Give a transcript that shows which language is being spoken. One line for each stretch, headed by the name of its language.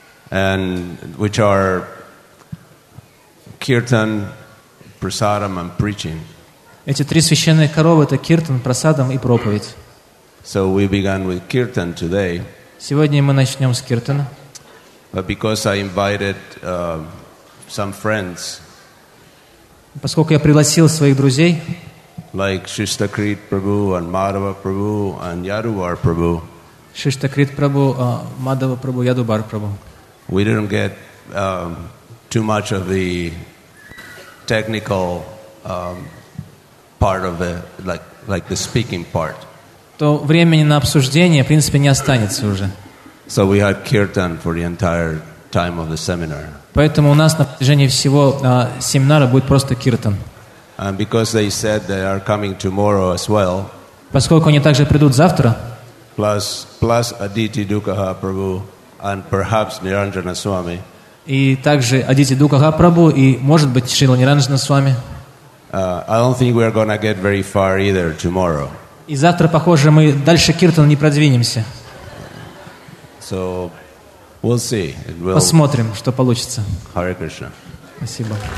English: And which are kirtan, prasadam and preaching.
Russian: Эти три священные коровы — это киртан, прасадам и проповедь.
English: So we began with kirtan today.
Russian: Сегодня мы начнем с киртана.
English: But because I invited some friends.
Russian: Поскольку я пригласил своих друзей.
English: Like Shishtakrit Prabhu and Madhava Prabhu and Yadubar Prabhu. Shishtakrit Prabhu, Madhava Prabhu, Yadubar Prabhu. We didn't get too much of the technical part of it, like the speaking part.
Russian: То времени на обсуждение, в принципе, не останется уже.
English: So we had kirtan for the entire time of the seminar.
Russian: Поэтому у нас на протяжении всего семинара будет просто киртан.
English: And because they said they are coming tomorrow as well.
Russian: Поскольку они также придут завтра.
English: Plus Aditi Dukaha Prabhu and perhaps Niranjana Swami.
Russian: И также Адити Дукаха Прабху и, может быть, Шрила Ниранджана Свами.
English: I don't think we are going to get very far either tomorrow.
Russian: И завтра, похоже, мы дальше киртана не продвинемся.
English: So, we'll see.
Russian: Посмотрим, что получится.
English: Hare Krishna.
Russian: Спасибо.